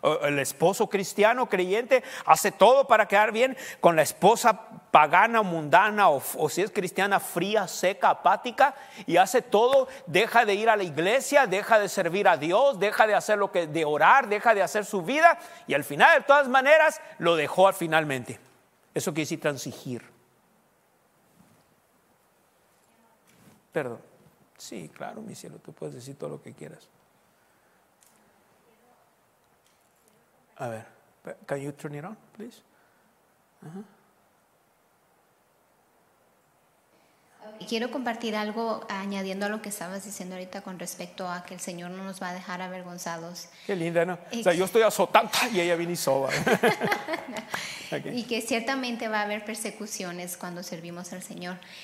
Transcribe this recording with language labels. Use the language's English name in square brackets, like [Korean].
[Spanish] El esposo cristiano, creyente, hace todo para quedar bien con la esposa pagana, mundana, o si es cristiana, fría, seca, apática, y hace todo, deja de ir a la iglesia, deja de servir a Dios, deja de hacer lo que, de orar, deja de hacer su vida, y al final, de todas maneras, lo dejó finalmente. Eso quiere decir transigir. Perdón. Sí, claro, mi cielo, tú puedes decir todo lo que quieras. A ver, [English] can you turn it on, please? [Spanish] Quiero compartir algo añadiendo a lo que estabas diciendo ahorita con respecto a que el Señor no nos va a dejar avergonzados. Qué linda, ¿no? O sea, yo estoy azotando y ella viene y soba. Okay. Y que ciertamente va a haber persecuciones cuando servimos al Señor.